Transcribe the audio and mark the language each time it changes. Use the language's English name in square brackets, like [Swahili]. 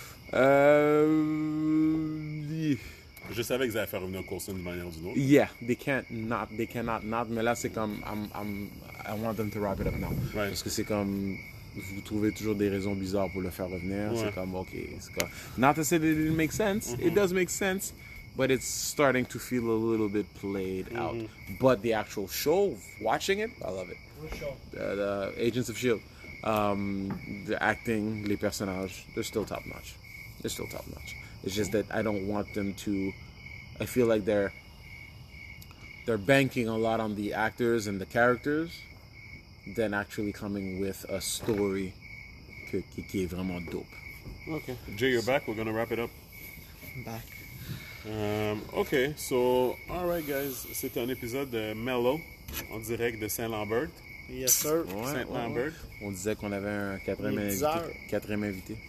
[French] Je savais qu'ils allaient faire revenir Coulson d'une manière ou d'une autre. [English] Yeah, they can't not, they cannot not. [French] Mais là, c'est comme, [English] I want them to wrap it up now. Right. [French] Parce que c'est comme, vous trouvez toujours des raisons bizarres pour le faire revenir. Ouais. C'est comme, ok, c'est comme, [English] not to say that it didn't make sense. Mm-hmm. It does make sense. But it's starting to feel a little bit played mm-hmm. out. But the actual show, watching it, I love it. What show? The Agents of S.H.I.E.L.D. The acting, [French] les personnages, [English] they're still top-notch. They're still top-notch. It's just that I don't want them to... I feel like they're banking a lot on the actors and the characters than actually coming with a story [French] qui est vraiment dope. [English] Okay. Jay, you're back. We're going to wrap it up. I'm back. Okay, so, all right, guys, [French] c'était un épisode de Mellow, en direct de Saint-Lambert. [English] Yes, sir. [French] Ouais, Saint-Lambert. Ouais, ouais. On disait qu'on avait un quatrième invité.